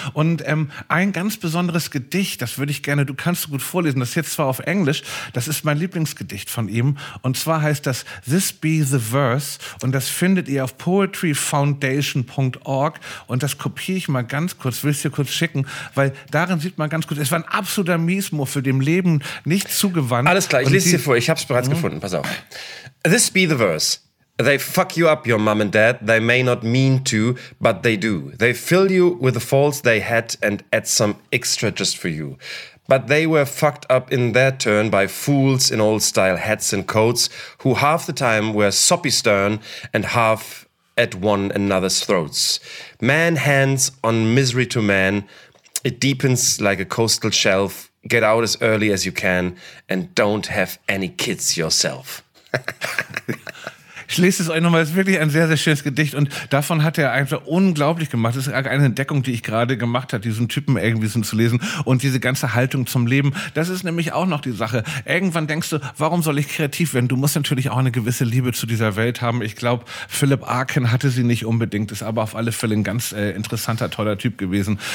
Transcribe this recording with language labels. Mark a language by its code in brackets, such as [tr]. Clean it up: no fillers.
[de] Und ein ganz besonderes Gedicht, das würde ich gerne, du kannst so gut vorlesen, das ist jetzt zwar auf Englisch, das ist mein Lieblingsgedicht von ihm, und zwar heißt das This Be The Verse, und das findet ihr auf poetryfoundation.org, und das kopiere ich mal ganz kurz, will es dir kurz schicken, weil darin sieht man ganz kurz, es war ein absoluter Miesmuffel, dem Leben nicht zugewandt. Alles klar, ich lese es dir vor, ich habe es bereits gefunden, pass auf. [en] This be the verse. They fuck you up, your mom and dad. They may not mean to, but they do. They fill you with the faults they had and add some extra just for you. But they were fucked up in their turn by fools in old style hats and coats who half the time were soppy stern and half at one another's throats. Man hands on misery to man. It deepens like a coastal shelf. Get out as early as you can and don't have any kids yourself. [de] ich lese es euch nochmal, es ist wirklich ein sehr, sehr schönes Gedicht und davon hat er einfach unglaublich gemacht. Das ist eine Entdeckung, die ich gerade gemacht habe, diesen Typen irgendwie so zu lesen und diese ganze Haltung zum Leben. Das ist nämlich auch noch die Sache. Irgendwann denkst du, warum soll ich kreativ werden? Du musst natürlich auch eine gewisse Liebe zu dieser Welt haben. Ich glaube, Philip Arkin hatte sie nicht unbedingt, ist aber auf alle Fälle ein ganz interessanter, toller Typ gewesen.